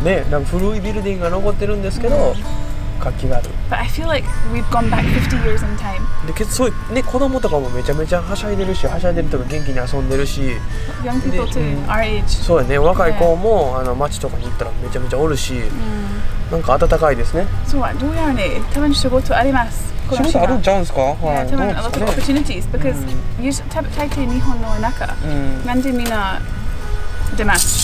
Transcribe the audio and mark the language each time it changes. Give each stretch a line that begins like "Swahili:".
Japanese: なんか古いビルディングが残ってるんですけど、活気がある。
English: But I feel like we've gone back 50 years in time.
Japanese: で、けど、ね、子供とかもめちゃめちゃはしゃいでるし、はしゃいでるとか元気に遊んでるし。
English: Young people too, our age.
Japanese: そうね、若い子も、街とかに行ったらめちゃめちゃおるし、なんか暖かいですね。そう、どうやらね、多分仕事あります。仕事あるんちゃうんですか？はい。多分、
English: a lot of opportunities, because
Japanese: 大抵日本の中、なんでみんな出ます？